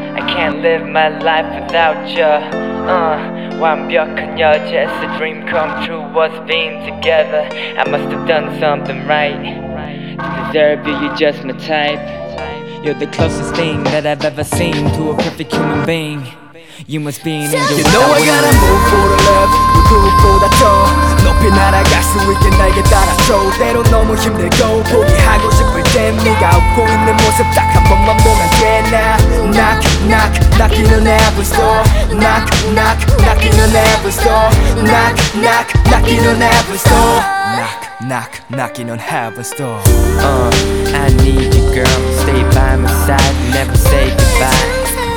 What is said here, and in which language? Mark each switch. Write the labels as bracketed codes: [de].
[en] I can't live my life without ya. [ko] 완벽한 여자에서 [en] dream come true was being together. I must have done something right to deserve you, you're just my type. You're the closest thing that I've ever seen to a perfect human being. You must be an angel. You know I gotta move for love. [ko] 누구보다 더 높이 날아갈 수 있게 날개 달아줘. 때론 너무 힘들고 포기하고 싶을 땐 네가 웃고 있는 모습 딱 한 번만 보면 돼. [en] 나 knock knock knocking on heaven's door. Knock knock knocking on heaven's door. Knock knock knocking on heaven's door. Knock knock knocking on heaven's door. I need you girl. Stay by my side. Never say goodbye.